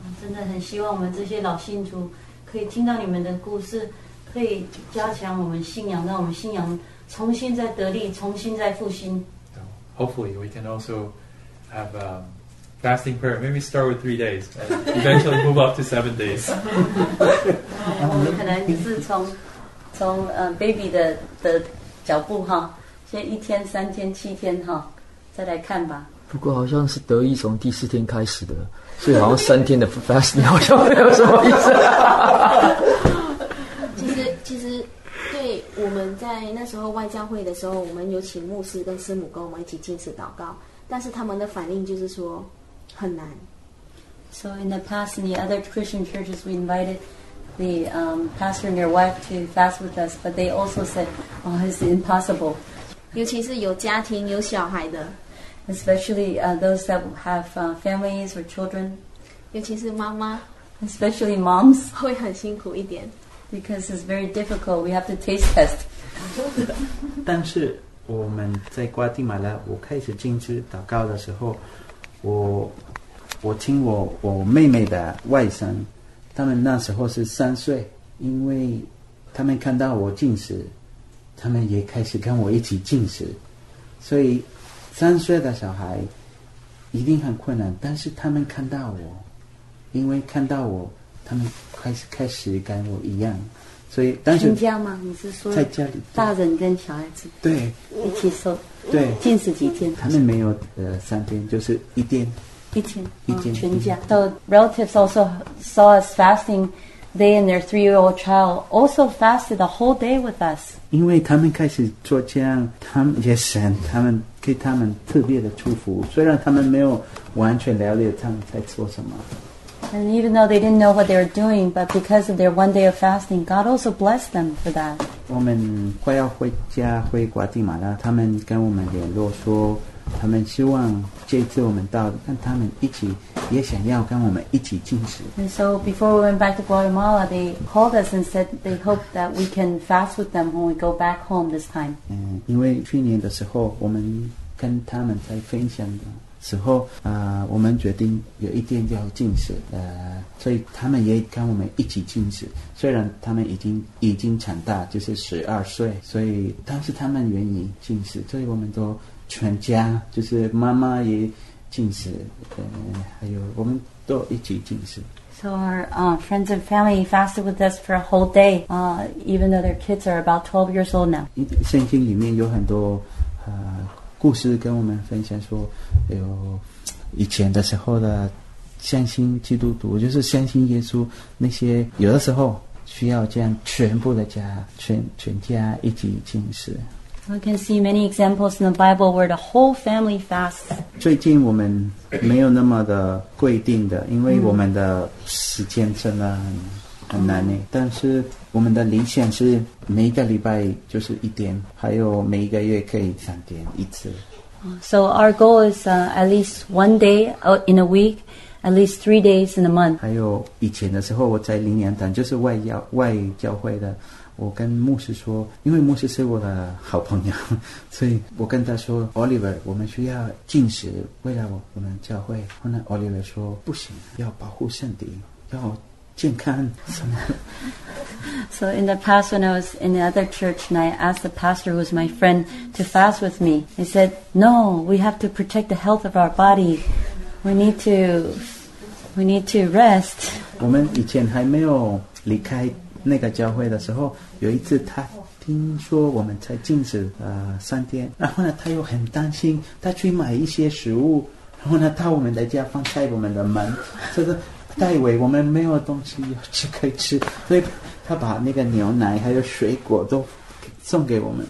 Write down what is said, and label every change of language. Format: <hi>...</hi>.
<zh>真的很希望我们这些老信徒可以听到你们的故事，可以加强我们信仰，让我们信仰重新再得力，重新再复兴。</zh> <en>So hopefully we can also have a fasting prayer. Maybe start with 3 days and eventually move up to 7 days.</en> <zh>然后我们可能是从baby 的脚步哈，先一天、三天、七天哈，再来看吧。不过好像是得益从第四天开始的，所以好像三天的 fasting 好像没有什么意思。其实对我们在那时候外教会的时候，我们有请牧师跟师母跟我们一起进食祷告。但是他们的反应就是说很难。</zh> <en>So in the past, in the other Christian churches, we invited the pastor and their wife to fast with us, but they also said, "Oh, it's impossible."</en> <zh>尤其是有家庭有小孩的。</zh> <en>Especially those that have families or children.</en> <zh>尤其是妈妈。</zh> <en>Especially moms.</en> <zh>会很辛苦一点。</zh> <en>Because it's very difficult. We have to taste test.</en> <zh>但是。我们在瓜地马拉，我开始进食祷告的时候，我听我妹妹的外甥，他们那时候是3岁，因为他们看到我进食，他们也开始跟我一起进食，所以3岁的小孩一定很困难，但是他们看到我，因为看到我，他们开始跟我一样。所以但是全家吗？你是说在家里大人跟小孩子对一起受对禁食几天？他们没有3天，就是一天全家。</zh> <en>So relatives also saw us fasting. They and their 3-year-old child also fasted the whole day with us.</en> <zh>因为他们开始做这样，他们也神，他们给他们特别的祝福。虽然他们没有完全了解他们在做什么。</zh> <en>And even though they didn't know what they were doing, but because of their one day of fasting, God also blessed them for that.</en> <zh>我们快要回家回瓜地马拉，他们跟我们联络说，他们希望这次我们到，跟他们一起，也想要跟我们一起进食。</zh> <en>And so before we went back to Guatemala, they called us and said they hope that we can fast with them when we go back home this time.</en> <zh>因为去年的时候，我们跟他们在分享的。时候我们决定有一天要进食所以他们也跟我们一起进食虽然他们已经长大就是12岁所以但是他们愿意进食所以我们都全家就是妈妈也进食还有我们都一起进食</zh> <en>So our friends and family fasted with us for a whole day even though their kids are about 12 years old now</en> <zh>圣经里面有很多故事跟我们分享说有以前的时候的相信基督徒就是相信耶稣那些有的时候需要这样全部的家 全家一起进食。</zh> <en>We can see many examples in the Bible where the whole family fasts.</en> <zh>最近我们没有那么的规定的，因为我们的时间真的很难耶，但是我们的理想是每个礼拜就是一天，还有每一个月可以三天一次。</zh> <en>So our goal is at least one day in a week, at least 3 days in a month.</en> <zh>还有以前的时候我在灵粮堂，就是外教会的，我跟牧师说，因为牧师是我的好朋友，所以我跟他说 Oliver, 我们需要禁食为了我们教会。后来 Oliver 说不行，要保护圣体，要健康什么。</zh> <en>So in the past when I was in the other church and I asked the pastor who was my friend to fast with me, he said, no, we have to protect the health of our body. We need to rest.</en> <zh>我们以前还没有离开那个教会的时候，有一次他听说我们才禁止三天，然后呢他又很担心，他去买一些食物，然后呢到我们的家放在我们的门，就是戴维我们没有东西要吃可以吃，所以他把那个牛奶还有水果都送给我们。</zh>